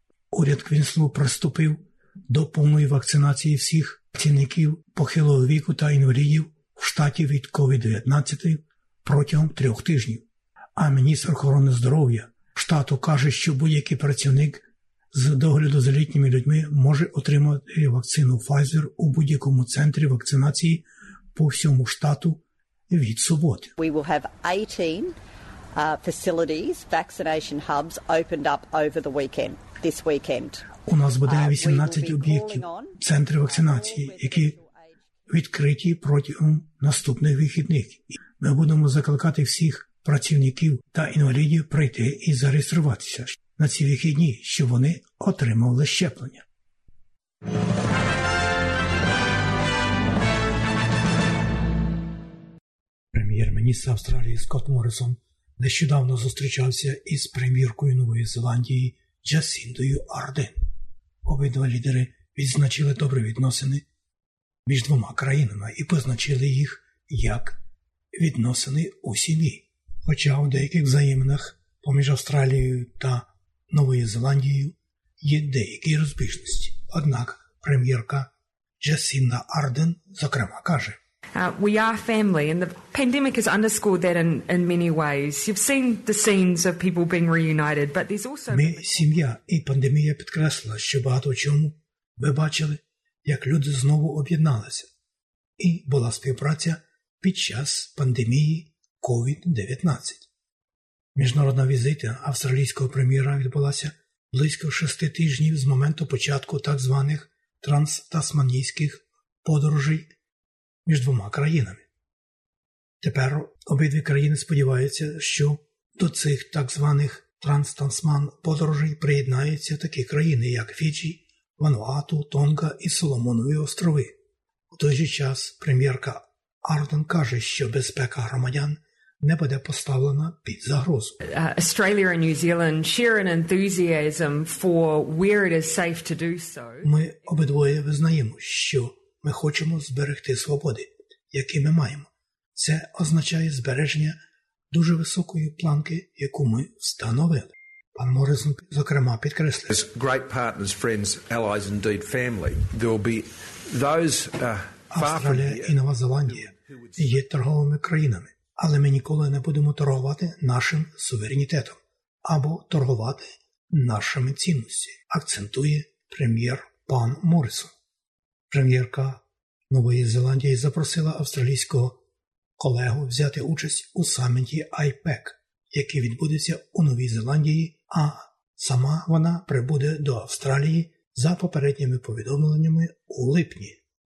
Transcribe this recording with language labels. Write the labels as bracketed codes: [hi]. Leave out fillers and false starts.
[uk] Уряд Квінслу приступив до повної вакцинації всіх працівників похилого віку та інвалідів в штаті від COVID-19 протягом 3 тижнів. А міністр охорони здоров'я штату каже, що будь-який працівник з догляду за літніми людьми може отримати вакцину Pfizer у будь-якому центрі вакцинації по всьому штату від суботи. [en] We will have 18 facilities, vaccination hubs opened up over the weekend, this weekend. [uk] У нас буде 18 об'єктів, центри вакцинації, які відкриті протягом наступних вихідних. Ми будемо закликати всіх працівників та інвалідів прийти і зареєструватися на ці вихідні, щоб вони отримали щеплення. Прем'єр-міністр Австралії Скотт Моррісон нещодавно зустрічався із прем'єркою Нової Зеландії Джасіндою Ардерн. Обидва лідери відзначили добрі відносини між двома країнами і позначили їх як відносини у сім'ї. Хоча у деяких взаєминах поміж Австралією та Новою Зеландією є деякі розбіжності. Однак прем'єрка Джасінда Ардерн, зокрема, каже: [en] We are family, and the pandemic has underscored that in many ways. You've seen the scenes of people being reunited, but there's also... [uk] Ми сім'я, і пандемія підкреслила, що багато чому ви бачили, як люди знову об'єдналися. І була співпраця під час пандемії COVID-19. Міжнародна візита австралійського прем'єра відбулася близько 6 тижнів з моменту початку так званих транс-тасманійських подорожей між двома країнами. Тепер обидві країни сподіваються, що до цих так званих транс-тасман подорожей приєднаються такі країни, як Фіджі, Вануату, Тонга і Соломонові острови. У той же час прем'єрка Ардерн каже, що безпека громадян не буде поставлена під загрозу. [en] Australia and New Zealand share an enthusiasm for where it is safe to do so. [uk] Ми обидвоє визнаємо, що ми хочемо зберегти свободи, які ми маємо. Це означає збереження дуже високої планки, яку ми встановили. Пан Моррісон, зокрема, підкреслив: [en] As great partners, friends, allies, indeed family, there will be those [uk] Австралія і Нова Зеландія є торговими країнами, але ми ніколи не будемо торгувати нашим суверенітетом або торгувати нашими цінностями, акцентує прем'єр пан Моррісон. Прем'єрка Нової Зеландії запросила австралійського колегу взяти участь у саміті IPEC, який відбудеться у Новій Зеландії, а сама вона прибуде до Австралії за попередніми повідомленнями у липні.